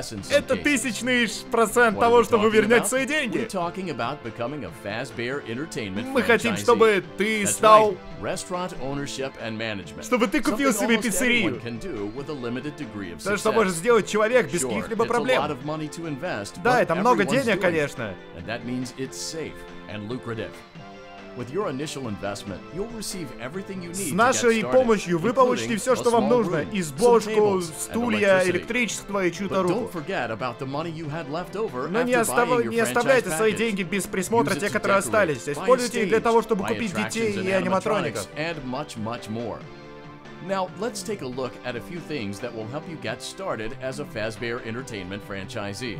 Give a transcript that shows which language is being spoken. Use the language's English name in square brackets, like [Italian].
[Russian] Это тысячный процент того, чтобы вернуть свои деньги. Мы хотим, чтобы ты стал... Чтобы ты купил себе пиццерию. То, что может сделать человек без каких-либо проблем. Да, это много денег, конечно. И это значит, что это безопасно и лукративно. [English] With your initial investment, you'll receive everything you need. [Russian] С нашей помощью вы получите все, что вам нужно: избушку, стулья, электричество и чью-то руку. [English] Don't forget about the money you had left over. [Russian] Но не оставляйте свои деньги без присмотра, те, которые остались. Используйте их для того, чтобы купить детей и аниматроников. [English] And much, much more. Now, let's take a look at a few things that will help you get started as a Fazbear Entertainment franchisee.